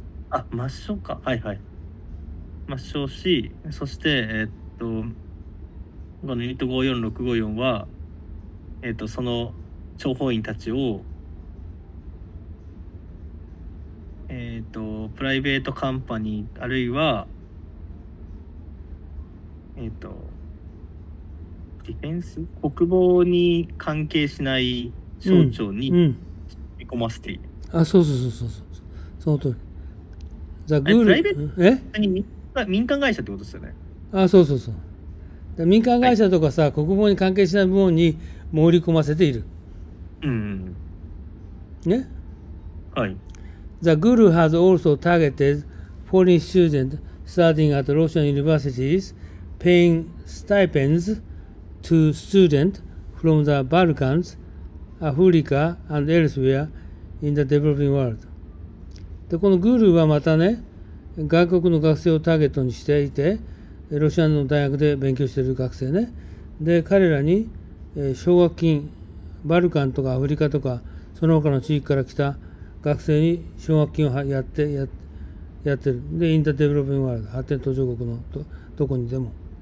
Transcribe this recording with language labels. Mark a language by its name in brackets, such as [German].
[Japanese] あ、抹消か、はいはい、抹消し、そしてこのユニット54654はその諜報員たちをプライベートカンパニーあるいはディフェンス国防に関係しない省庁に引き込ませている。あ、そうその通り。ザ・グール、プライベートえ民間会社ってことですよね。あ、そう民間会社とかさ、はい、国防に関係しない部門に盛り込ませている。ね、はい。 [English] ザ・グール has also targeted foreign students studying at Russian universities paying stipends to students from the Balkans, Africa and elsewhere in the developing world. [Japanese] で、このグールはまたね、外国の学生をターゲットにしていて、ロシアの大学で勉強している学生ね。で、彼らに奨学金、バルカンとかアフリカとかその他の地域から来た学生に奨学金をやってる。で、インターデベロップメントワールド、発展途上国のどこにでも。